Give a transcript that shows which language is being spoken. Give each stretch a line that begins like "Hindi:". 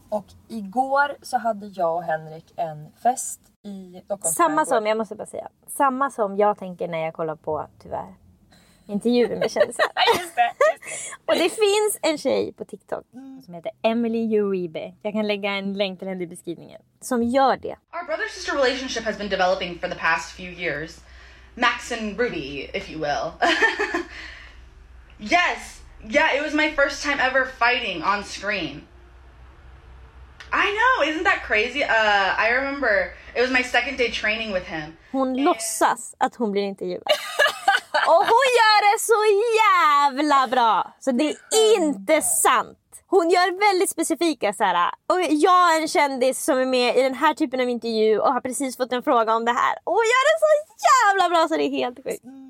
Swedish: Och igår så hade jag och Henrik en fest i Stockholm. Samma som, jag måste bara säga, samma som jag tänker när jag kollar på, tyvärr, intervjuer med kändisar. Just det, just det. Och det finns en tjej på TikTok som heter Emily Uribe. Jag kan lägga en länk till henne i beskrivningen. Som gör det.
English: Our brother-sister relationship has been developing for the past few years. Max and Ruby, if you will. Yes, yeah, it was my first time ever fighting on screen. I know, isn't that crazy? I remember it was my second day training with him.
Swedish: Hon låtsas att hon blir intervjuad. Och hon gör det så jävla bra. Så det är inte sant. Hon gör väldigt specifika så här. Och jag är en kändis som är med i den här typen av intervju och har precis fått en fråga om det här. Och hon gör det så jävla bra så det är helt sjukt.